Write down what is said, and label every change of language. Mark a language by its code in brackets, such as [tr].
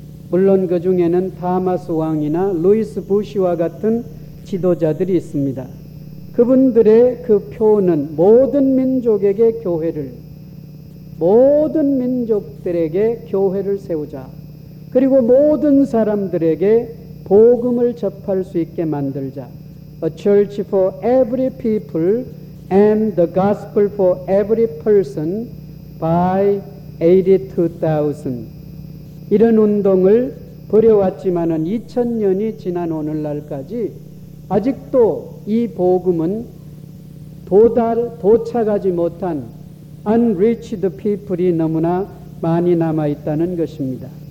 [ko] 물론 그 중에는 타마스 왕이나 루이스 부시와 같은 지도자들이 있습니다. 그분들의 그 표는 모든 민족에게 교회를, 모든 민족들에게 교회를 세우자. 그리고 모든 사람들에게 복음을 접할 수 있게 만들자. [en] A church for every people and the gospel for every person by 82,000. [ko] 이런 운동을 벌여왔지만은 2000년이 지난 오늘날까지 아직도 이 복음은 도착하지 못한 [en] unreached people [ko] 이 너무나 많이 남아 있다는 것입니다.